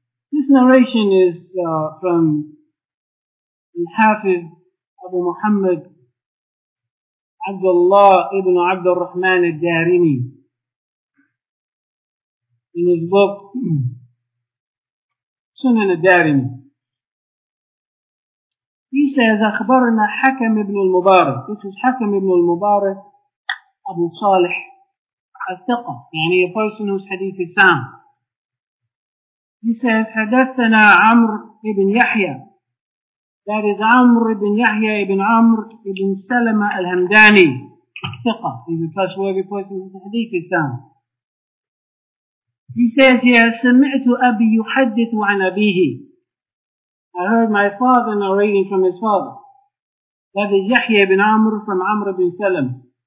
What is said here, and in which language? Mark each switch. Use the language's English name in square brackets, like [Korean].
[English] This narration is from the Hafiz Abu Muhammad Abdullah ibn Abd al-Rahman al-Darimi in his book Sunan al-Darimi. He says, [Arabic] أخبرنا حكم ابن المبارك. [English] This is حكم ابن المبارك Abu Salih al-Thiqa, يعني a person whose hadith is sound. He says, [Arabic] حدثنا عمر ابن يحيى. [English] That is [Arabic] عمر ابن يحيى ابن عمر ابن سلمة الهمداني. Thiqa. [English] He's a trustworthy person whose hadith is sound. He says, [Arabic] يا سمعت أبي يحدث عن أبيه. [English] I heard my father narrating from his father. That is يحيى ابن عمر from عمر ابن سلمة.